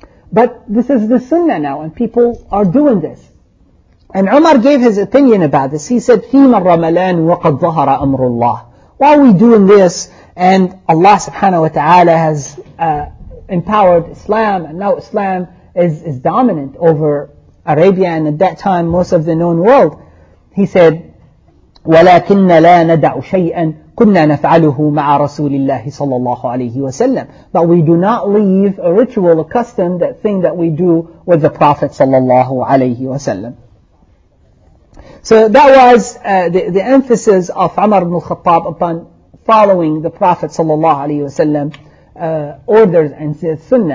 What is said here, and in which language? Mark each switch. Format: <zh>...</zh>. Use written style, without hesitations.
<en>But this is the sunnah now, and people are doing this. And Umar gave his opinion about this. He said,</en> <ar>فِيمَ الرَّمَلَانُ وَقَدْ ظَهَرَ أَمْرُ اللَّهِ.</ar> <en>Why are we doing this, and Allah subhanahu wa ta'ala has empowered Islam, and now Islam is dominant over Arabia, and at that time, most of the known world. He said,</en> <ar>وَلَكِنَّ لَا نَدَعُ شَيْئًا كُنَّا نَفْعَلُهُ مَعَ رَسُولِ اللَّهِ صَلَى اللَّهُ عَلَيْهِ وَسَلَّمُ.</ar> <en>But we do not leave a ritual, a custom, that thing that we do with the Prophet صلى الله عليه وسلم. So that was the emphasis of Umar ibn al-Khattab upon following the Prophet صلى الله عليه وسلم orders and sunnah.</en>